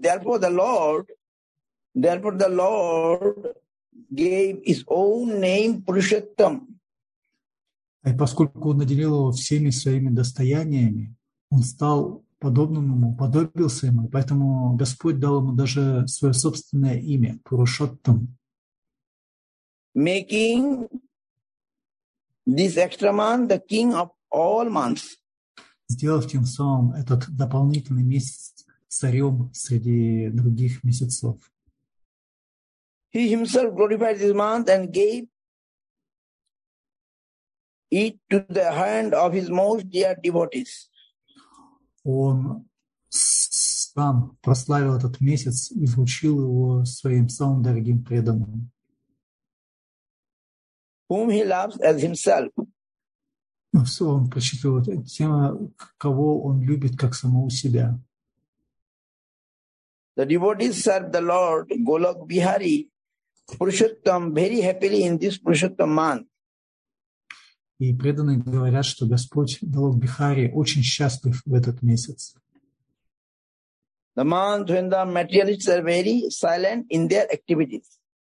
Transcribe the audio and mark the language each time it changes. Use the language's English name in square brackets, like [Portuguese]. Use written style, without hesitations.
[English] Therefore the Lord gave his own name Purushottam. [Russian] И поскольку он наделил его всеми своими достояниями, он стал подобным ему, подобился ему, поэтому Господь дал ему даже свое собственное имя Purushottam. [English] Making this extra month the king of all months. [Russian] Сделав тем самым этот дополнительный месяц царем среди других месяцев. [English] He himself glorified this month and gave it to the hand of his most dear devotees. [Russian] Он сам прославил этот месяц и вручил его своим самым дорогим преданным. [English] Whom he loves as himself. [Russian] Ну, все, он прочитывает тема, кого он любит как самого себя. [English] The devotees serve the Lord Golok Bihari Purushottam very happily in this Purushottam month. [Russian] И преданные говорят, что Господь Голок Бихари очень счастлив в этот месяц. [English] The month when the materialists are very silent in their activities.